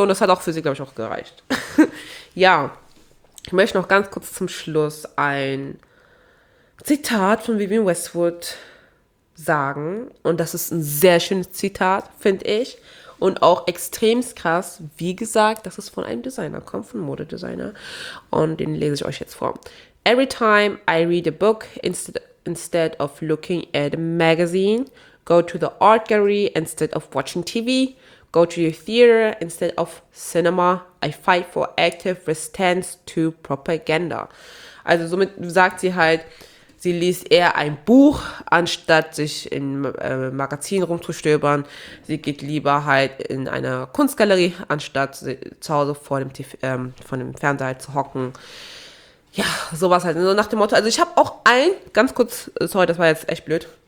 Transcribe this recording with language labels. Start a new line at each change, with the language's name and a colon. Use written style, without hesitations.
German: Und das hat auch für sie, glaube ich, auch gereicht. Ja, ich möchte noch ganz kurz zum Schluss ein Zitat von Vivienne Westwood sagen. Und das ist ein sehr schönes Zitat, finde ich. Und auch extrem krass, wie gesagt, das ist von einem Designer, kommt von Modedesigner. Und den lese ich euch jetzt vor.
English: Every time I read a book, instead of looking at a magazine, go to the art gallery instead of watching TV, go to the theater instead of cinema, I fight for active resistance to propaganda.
German: Also somit sagt sie halt, sie liest eher ein Buch, anstatt sich in Magazinen rumzustöbern. Sie geht lieber halt in eine Kunstgalerie, anstatt zu Hause vor dem, von dem Fernseher halt zu hocken. Ja, sowas halt. So nach dem Motto, also ich habe auch ein, ganz kurz, sorry, das war jetzt echt blöd.